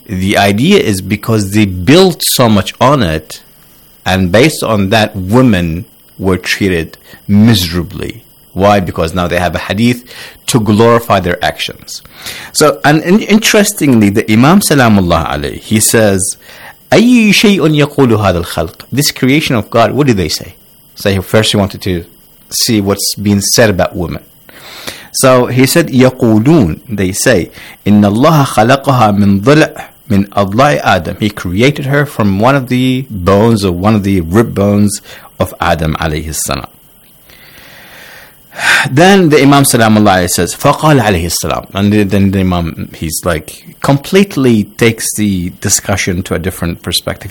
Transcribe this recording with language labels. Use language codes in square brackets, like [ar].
[en] The idea is because they built so much on it, and based on that, women were treated miserably. Why? Because now they have a hadith to glorify their actions. So, and interestingly, the Imam Salamullah Alayhi, he says, [ar] أي شيء يقول هذا الخلق? [en] This creation of God, what do they say? So he first wanted to see what's being said about women. So he said, [ar] يقولون, [en] they say, [ar] إن الله خلقها من ضلع من أضلاع آدم. [en] He created her from one of the bones or one of the rib bones of Adam عليه السلام. Then the Imam Salam Allah says, [ar] فقال عليه السلام. [en] And then the Imam, he's like, completely takes the discussion to a different perspective.